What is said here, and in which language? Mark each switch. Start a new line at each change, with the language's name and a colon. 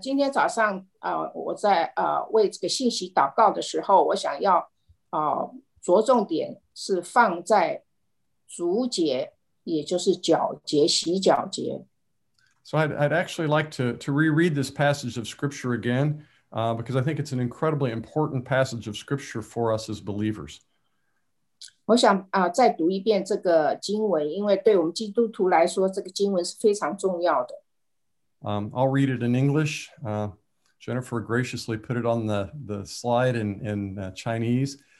Chinese: 今天早上我在为这个信息祷告的时候，我想要着重点是放在主节，也就是脚节、洗脚节。
English: So I'd actually like to reread this passage of scripture again, because I think it's an incredibly important passage of scripture for us as believers.
Chinese: 我想再读一遍这个经文，因为对我们基督徒来说，这个经文是非常重要的。
English: I'll read it in English. Jennifer graciously put it on the slide in Chinese.